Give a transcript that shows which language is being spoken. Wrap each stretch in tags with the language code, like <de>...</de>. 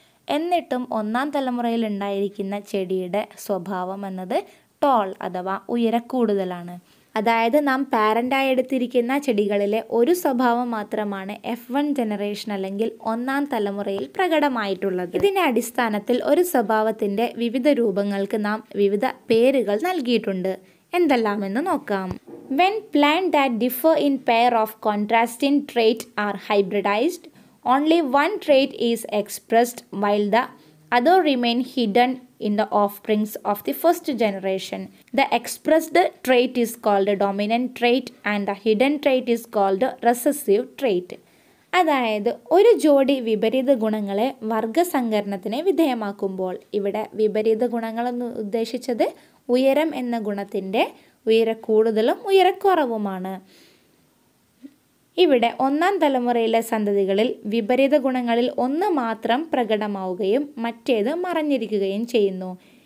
<ml>എന്നിട്ടും ഒന്നാം തലമുറയിൽ ഉണ്ടായിരിക്കുന്ന ചെടിയുടെ സ്വഭാവം എന്നത് ടോൾ അഥവാ ഉയരക്കൂടുതലാണ്. അതായത് നാം പാരന്റായി എടുത്തിരിക്കുന്ന ചെടികളിലെ ഒരു സ്വഭാവം മാത്രമാണ് F1 ജനറേഷൻ അല്ലെങ്കിൽ ഒന്നാം തലമുറയിൽ പ്രകടമായിട്ടുള്ളത്. ഇതിൻ്റെ അടിസ്ഥാനത്തിൽ ഒരു സ്വഭാവത്തിൻ്റെ വിവിധ രൂപങ്ങൾക്ക് നാം വിവിധ പേരുകൾ നൽകിയിട്ടുണ്ട്. എന്തെല്ലാമെന്ന് നോക്കാം.</ml> <en>When plants that differ in pair of contrasting traits are hybridized, only one trait is expressed while the other remain hidden in the offsprings of the first generation. The expressed trait is called a dominant trait and the hidden trait is called a recessive trait.</en> <ml>അതായത് ഒരു ജോഡി വിപരീത ഗുണങ്ങളെ വർഗസങ്കരണത്തിന് വിധേയമാക്കുമ്പോൾ, ഇവിടെ വിപരീത ഗുണങ്ങളെന്ന് ഉദ്ദേശിച്ചത് ഉയരം എന്ന ഗുണത്തിൻ്റെ ഉയരക്കൂടുതലും ഉയരക്കുറവുമാണ്. ഇവിടെ ഒന്നാം തലമുറയിലെ സന്തതികളിൽ വിപരീത ഗുണങ്ങളിൽ ഒന്ന് മാത്രം പ്രകടമാവുകയും മറ്റേത് മറഞ്ഞിരിക്കുകയും ചെയ്യുന്നു.</ml>